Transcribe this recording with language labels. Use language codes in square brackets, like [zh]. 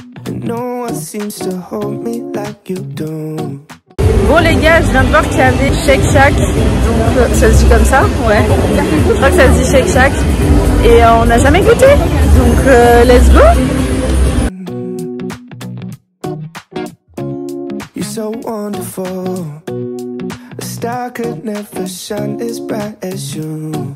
[en] No one seems to hold me like you do. [fr] Bon les gars, je viens de voir qu'il y avait Shake Shack, donc ça se dit comme ça, ouais, je crois que ça se dit Shake Shack, et on n'a jamais goûté, donc [en] let's go. You're so wonderful, a star could never shine as bright as you.